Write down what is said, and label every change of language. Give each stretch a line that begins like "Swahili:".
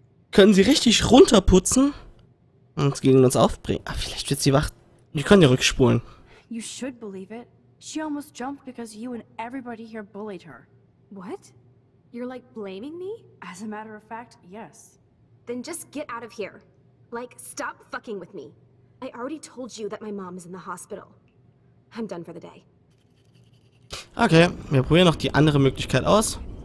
German: Können Sie richtig runterputzen und gegen uns aufbringen? Ach, vielleicht wird sie wach. Wir können ja rückspulen.
English: You should believe it. She almost jumped because you and everybody here bullied her. What? You're like blaming me? As a matter of fact, yes. Then just get out of here. Like, stop fucking with me. I already told you that my mom is in the hospital. I'm done for the day.
German: Okay, wir probieren noch die andere Möglichkeit aus.